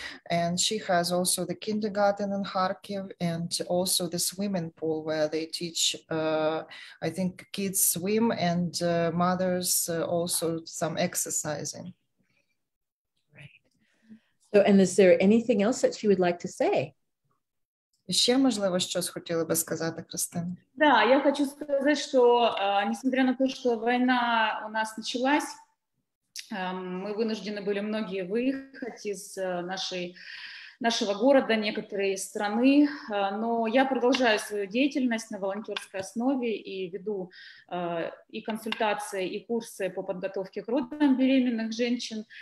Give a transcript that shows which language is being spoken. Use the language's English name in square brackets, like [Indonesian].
[English] And she has also the kindergarten in Kharkiv and also the swimming pool where they teach, I think, kids swim and mothers also some exercising. So, and is there anything else that she would like to say? [Ukrainian] Ще можливо щось хотіла би сказати, Кристина? [Russian] Да, [Ukrainian] я хочу сказати, що [Russian] несмотря на те, [Ukrainian] що війна у нас почалася, [Russian] ми вынуждены были многие выехать из нашего города, некоторые из страны, но я продолжаю свою деятельность на волонтерской основе и веду и консультации, и курсы по подготовке к родам беременных женщин.